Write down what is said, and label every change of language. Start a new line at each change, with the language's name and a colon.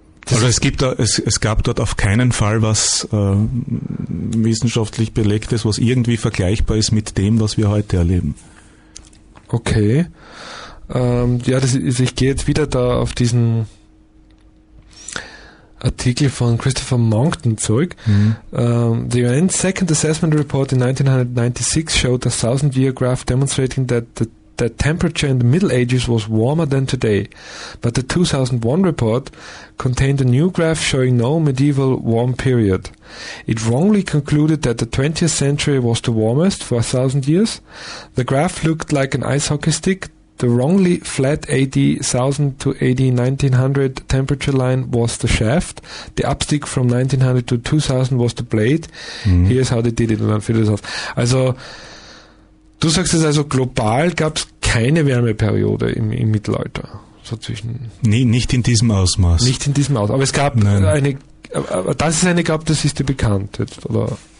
German: Also es gab dort auf keinen Fall was wissenschaftlich Belegtes, was irgendwie vergleichbar ist mit dem, was wir heute erleben. Okay. Ich gehe jetzt wieder da auf diesen Artikel von Christopher Monckton zurück. Mhm.
English: The UN's Second Assessment Report in 1996 showed a 1000-year graph demonstrating that the temperature in the Middle Ages was warmer than today. But the 2001 report contained a new graph showing no medieval warm period. It wrongly concluded that the 20th century was the warmest for 1000 years. The graph looked like an ice hockey stick. The wrongly flat AD 1000 to AD 1900 temperature line was the shaft. The upstick from 1900 to 2000 was the blade. Mm-hmm. Here's how they did it.
German: Also, du sagst es also, global gab es keine Wärmeperiode im Mittelalter. So zwischen. Nee, nicht in diesem Ausmaß. Nicht in diesem Ausmaß. Aber es gab das ist dir bekannt jetzt, oder?